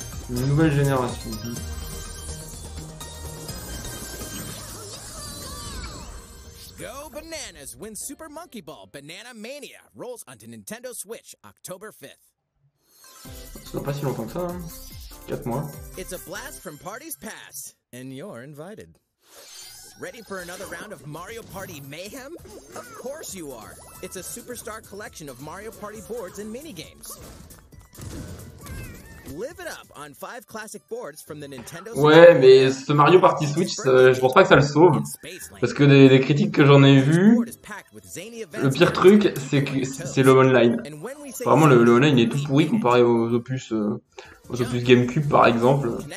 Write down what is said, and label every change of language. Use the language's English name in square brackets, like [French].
[French] Une nouvelle génération. [English] Go Bananas win Super Monkey Ball Banana Mania rolls onto Nintendo Switch October 5th. [French] Ça n'a pas si longtemps que ça, hein. 4 mois. [English] It's a blast from parties past, and you're invited. Ready for another round of Mario Party Mayhem? Of course you are! It's a superstar collection of Mario Party boards and minigames. Live it up on 5 classic boards from the Nintendo Switch. [French] Ouais, mais ce Mario Party Switch, je pense pas que ça le sauve. Parce que des critiques que j'en ai vues, le pire truc, c'est le online. Vraiment, le online est tout pourri comparé aux opus GameCube, par exemple.